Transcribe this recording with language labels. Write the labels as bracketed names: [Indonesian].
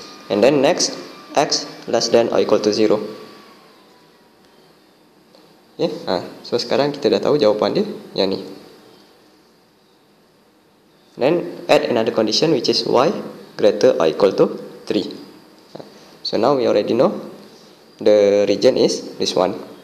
[English] And then next, x less than or equal to 0. Okay. Ha. So [Malay] sekarang kita dah tahu jawapan dia yang ni. [English] Then add another condition, which is y greater or equal to 3. So now we already know the region is this one.